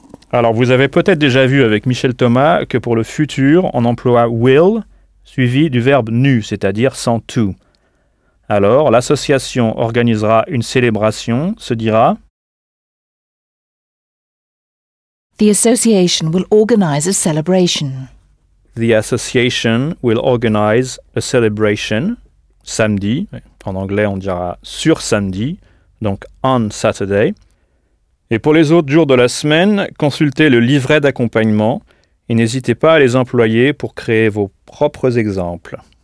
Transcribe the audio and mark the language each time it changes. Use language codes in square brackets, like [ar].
[fr] Alors vous avez peut-être déjà vu avec Michel Thomas que pour le futur, on emploie will suivi du verbe nu, c'est-à-dire sans to. Alors, l'association organisera une célébration, se dira. [en] The association will organize a celebration. The association will organize a celebration. [fr] Samedi, en anglais on dira sur samedi, donc [en] on Saturday. [fr] Et pour les autres jours de la semaine, consultez le livret d'accompagnement et n'hésitez pas à les employer pour créer vos propres exemples.